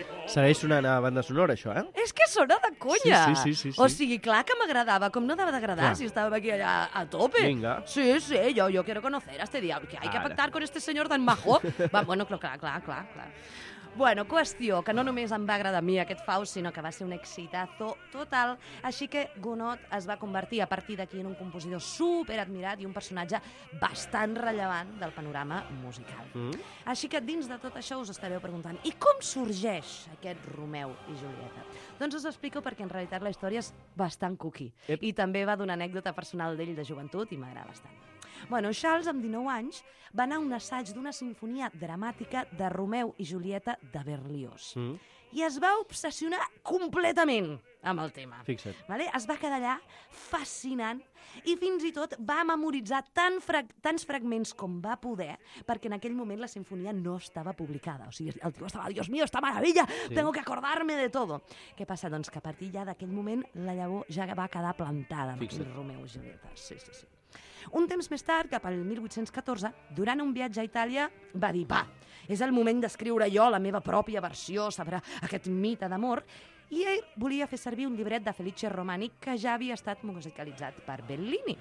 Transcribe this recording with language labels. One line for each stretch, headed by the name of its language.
Catalan: Segueix sonant a banda sonora, això, eh? És que sona de conya! Sí. O sigui, clar que m'agradava, com no dava d'agradar si estàvem aquí allà a tope. Vinga.
Spanish: Sí, yo quiero conocer a este diablo, que hay que pactar con este señor tan majo.
Catalan: Va, bueno, clar. Bueno, qüestió, que no només em va agradar a mi aquest Faust, sinó que va ser un exitazo total. Així que Gounod es va convertir a partir d'aquí en un compositor superadmirat i un personatge bastant rellevant del panorama musical. Així que dins de tot això us estareu preguntant, i com sorgeix aquest Romeu i Julieta? Doncs us explico, perquè en realitat la història és bastant cuqui. I també va d'una anècdota personal d'ell de joventut i m'agrada bastant. Bueno, Charles, amb 19 anys, va anar a un assaig d'una sinfonia dramàtica de Romeu i Julieta de Berlioz. Mm. I es va obsessionar completament amb el tema. Fixa't. Vale? Es va quedar allà fascinant i fins i tot va memoritzar tants fragments com va poder, perquè en aquell moment la sinfonia no estava publicada. O sigui, el tio estava,
Spanish: Dios mío, esta maravilla, sí. Tengo que acordarme de todo.
Catalan: Què passa? Doncs que a partir ja d'aquell moment la llavor ja va quedar plantada amb el Romeu i Julieta. Sí, sí, sí. Un temps més tard, cap al 1814, durant un viatge a Itàlia, va dir, va, és el moment d'escriure jo la meva pròpia versió sobre aquest mite d'amor. I ell volia fer servir un llibret de Felice Romani que ja havia estat musicalitzat per Bellini.